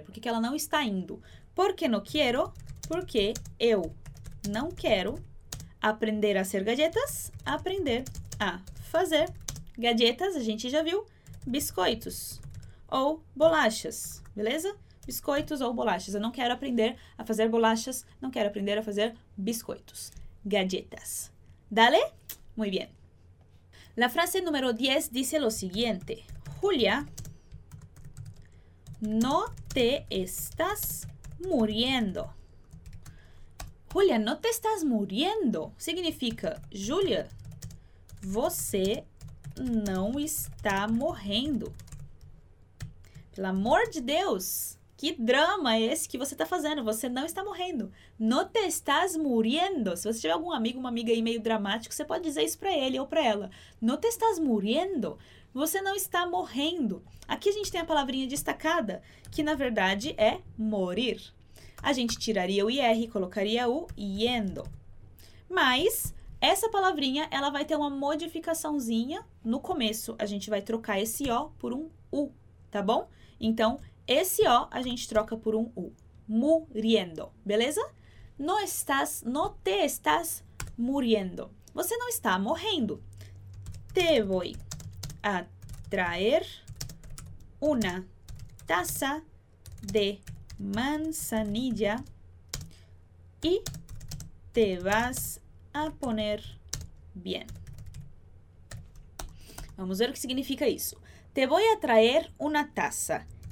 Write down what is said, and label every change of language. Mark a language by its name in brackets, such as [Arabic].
[Portuguese] Por que, que ela não está indo? Porque [Spanish] no quiero, [Portuguese] porque eu não quero aprender a [Spanish] hacer galletas, [Portuguese] aprender a fazer galletas, a gente já viu, biscoitos ou bolachas, beleza? Biscoitos ou bolachas. Eu não quero aprender a fazer bolachas, não quero aprender a fazer biscoitos. [Spanish] Galletas. Dale? Muy bien. La frase número 10 dice lo siguiente: Julia, no te estás muriendo. Julia, no te estás muriendo. [Portuguese] Significa: Julia, você não está morrendo. Pelo amor de Deus! Que drama é esse que você está fazendo? Você não está morrendo. [Spanish] No te estás muriendo. [Portuguese] Se você tiver algum amigo, uma amiga aí meio dramático, você pode dizer isso para ele ou para ela. [Spanish] No te estás muriendo. [Portuguese] Você não está morrendo. Aqui a gente tem a palavrinha destacada, que na verdade é morir. A gente tiraria o IR e colocaria o yendo. Mas essa palavrinha, ela vai ter uma modificaçãozinha no começo. A gente vai trocar esse O por um U, tá bom? Então, esse O a gente troca por um U. Muriendo, beleza? [Spanish] No estás, no te estás muriendo. [Portuguese] Você não está morrendo. [Spanish] Te voy a traer una taza de manzanilla y te vas a poner bien. [Portuguese] Vamos ver o que significa isso. [Spanish] Te voy a traer una taza.